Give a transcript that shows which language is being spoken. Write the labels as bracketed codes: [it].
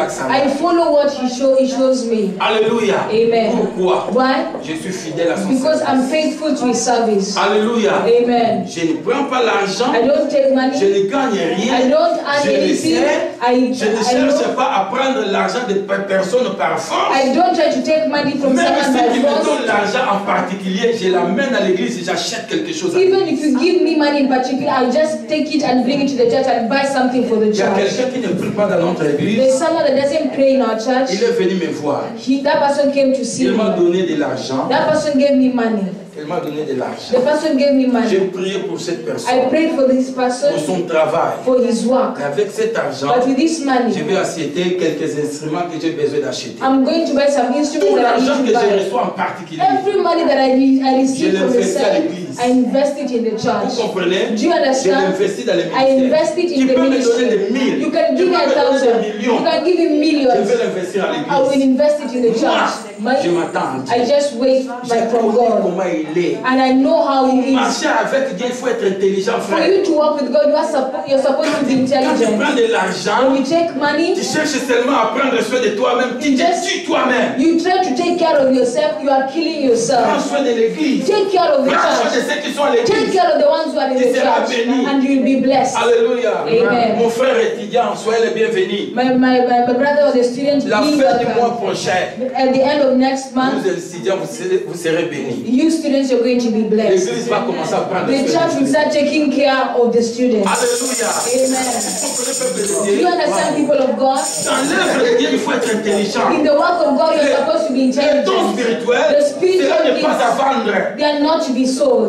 [en] I follow what he shows me. [fr] Alléluia. [en] Amen. [fr] Pourquoi? [en] Why? [fr] Je suis fidèle à son [en] because [fr] service. [en] I'm faithful to his service. [fr] Alléluia. [en] Amen. [fr] Je ne prends pas l'argent. [en] I don't take money. [fr] Je ne gagne rien. [en] I don't earn [fr] je [en] anything. [fr] Le sais. Je ne cherche pas à prendre l'argent de personne par force. [en] I don't try to take money from [fr] même [en] someone [fr] si [en] by force. [fr] Même si tu me donnes l'argent en particulier, je l'amène à l'église et j'achète quelque chose. [en] Even if you give me money in particular, I'll just take it and bring it to the church and buy something for the church. There's someone that doesn't pray in our church. [fr] Il est venu me voir. [en] That person came to see [fr] il [en] me. [fr] Il m'a donné de l'argent. [en] That person gave me money. [fr] Elle m'a donné de l'argent. [en] The person gave me money. [fr] J'ai prié pour cette personne. [en] I prayed for this person. [fr] Pour son travail. [en] For his work. [fr] Et avec cet argent. [en] But with this money. [fr] Je vais acheter quelques instruments que j'ai besoin d'acheter. [en] I'm going to buy some instruments that I need to buy. [fr] Tout l'argent que j'ai reçu en particulier. [en] Every money that I receive [fr] je [en] from the sale. I invest it in the church. [fr] Vous comprenez? [en] Do you understand? [fr] J'ai investi dans le ministère. [en] I invest it in [fr] tu [en] the [fr] peux [en] ministry. [fr] Me donner des mille. [en] You can give [fr] tu [en] me a thousand. You can give me millions. [fr] Je vais l'investir à l'église. [en] I will invest it in the [fr] moi, [en] church. [fr] My, je m'attends. [en] I just wait by from God. And I know how it is. [fr] Marcher avec Dieu, il faut être intelligent, frère. [en] For you to walk with God, you're supposed to be intelligent. [fr] Quand tu prends de l'argent, [en] you take money, [fr] tu cherches seulement à prendre soin de toi-même. Tu just tues toi-même. [en] You try to take care of yourself, you are killing yourself. [fr] Prends soin de l'église. [en] Take care of the [fr] prends [en] church. [fr] Prends soin de ceux qui sont à l'église. [en] Take care of the ones who are in [fr] tu [en] the church. [fr] Béni. [en] And you will be blessed. [fr] Alléluia. [en] Amen. [fr] Mon frère étudiant, soyez le bienvenu. [en] My brother or the student, [fr] la fin du mois prochain. [en] At the end of next month, [fr] vous êtes étudiant, vous serez béni. [en] Students, you're going to be blessed. The church will start taking care of the students. Hallelujah. Amen. Do you understand, people of God? In the work of God, you're supposed to be intelligent. The spiritual gifts, they are not to be sold.